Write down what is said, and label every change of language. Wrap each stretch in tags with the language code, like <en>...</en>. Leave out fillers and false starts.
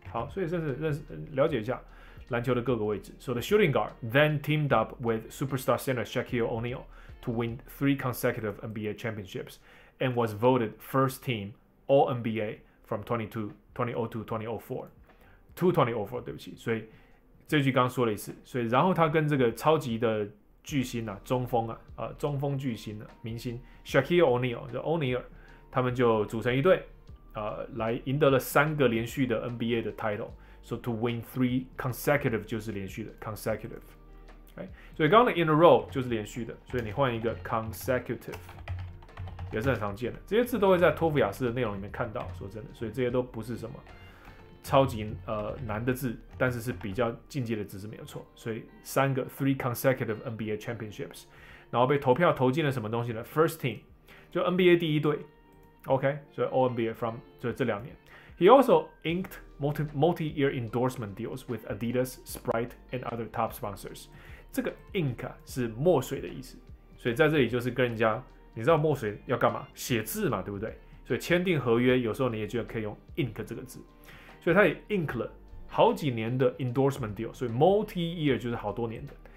<zh>好，所以了解一下篮球的各个位置。</zh> <en>So the shooting guard then teamed up with superstar center Shaquille O'Neal to win 3 consecutive NBA championships and was voted first team All NBA from 2004.</en> <zh>对不起，所以这句刚说了一次。所以然后他跟这个超级的巨星啊，中锋啊，中锋巨星、啊、明星 Shaquille O'Neal 就欧尼尔，他们就组成一队。来赢得了三个连续的 NBA 的 title，</zh> <en>so to win 3 consecutive</en> <zh>就是连续的 consecutive， okay？所以刚刚的 in a row 就是连续的，所以你换一个 consecutive 也是很常见的，这些字都会在托福雅思的内容里面看到，说真的，所以这些都不是什么超级、难的字，但是是比较进阶的字是没有错，所以三个</zh> <en>3 consecutive NBA championships，</en> <zh>然后被投票投进了什么东西呢？ first team 就 NBA 第一队。OK， 所以 All-NBA from 就这两年。</zh> <en>He also inked multi-year endorsement deals with Adidas, Sprite, and other top sponsors。</en> <zh>这个 ink、啊、是墨水的意思，所以在这里就是跟人家，你知道墨水要干嘛？写字嘛，对不对？所以签订合约有时候你也就可以用 ink 这个字。所以他也 ink 了好几年的 endorsement deal， 所以 multi-year 就是好多年的。</zh>